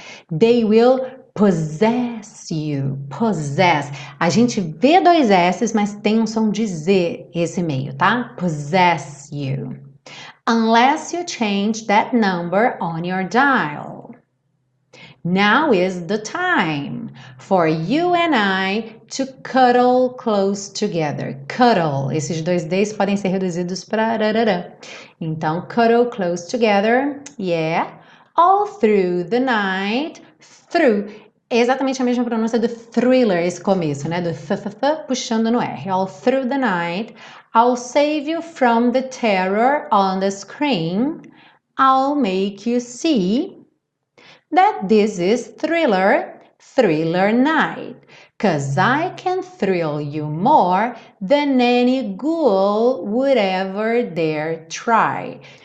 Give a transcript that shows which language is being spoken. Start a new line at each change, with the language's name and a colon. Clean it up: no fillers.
English: They will possess you, possess.
Portuguese: A gente vê dois S's, mas tem um som de Z esse meio, tá?
English: Possess you. Unless you change that number on your dial. Now is the time for you and I to cuddle close together. Cuddle.
Portuguese: Esses dois D's podem ser reduzidos para.
English: Então, cuddle close together. Yeah. All through the night. Through.
Portuguese: Exatamente a mesma pronúncia do thriller, esse começo, né? Do th-th-th puxando no R.
English: All through the night. I'll save you from the terror on the screen. I'll make you see that this is thriller night. 'Cause I can thrill you more than any ghoul would ever dare try.